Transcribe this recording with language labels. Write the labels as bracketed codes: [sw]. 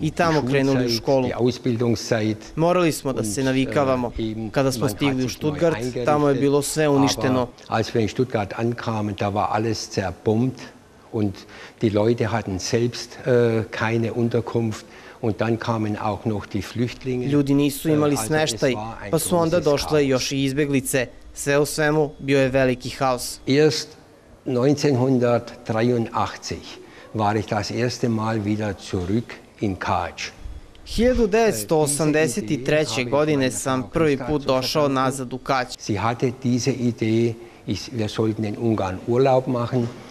[sr] i tamo krenuli u školu. [de] Die Ausbildungszeit. [sr] Morali smo da se navikavamo. Kada smo stigli u Stuttgart, tamo je bilo sve uništeno. [de] Als wir in Stuttgart ankamen, da war alles zerbombt und die Leute hatten selbst keine Unterkunft. Und dann kamen auch noch die Flüchtlinge. [sr] Ljudi nisu imali smeštaj, pa su onda došle još i izbeglice. Sve u svemu bio je veliki haos. [de] Erst 1983 war ich das erste Mal wieder zurück in Kač. [sr] 1983. godine sam prvi put došao nazad u Kač. [de] Sie hatte diese Idee, wir sollten in Ungarn Urlaub machen.